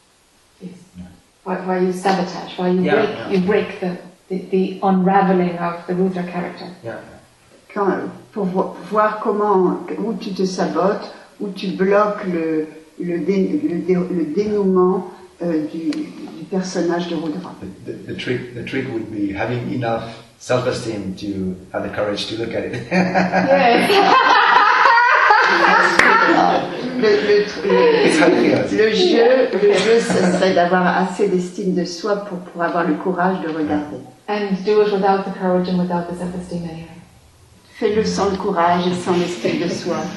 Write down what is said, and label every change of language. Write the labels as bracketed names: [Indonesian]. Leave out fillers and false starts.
[English] Yes. Why you sabotage? Why you break the unraveling of the Luther character? Yeah. [French] Pour voir comment où tu te sabotes, où tu bloques le dénouement du personnage de Rudra. [English] The trick would be having enough self-esteem to have the courage to look at it. Yes. [French] Le jeu, ce serait d'avoir assez d'estime de soi pour avoir le courage de regarder. [English] And do it without the courage and without the self-esteem anyway. [French] Fais-le sans le courage et sans l'estime de soi.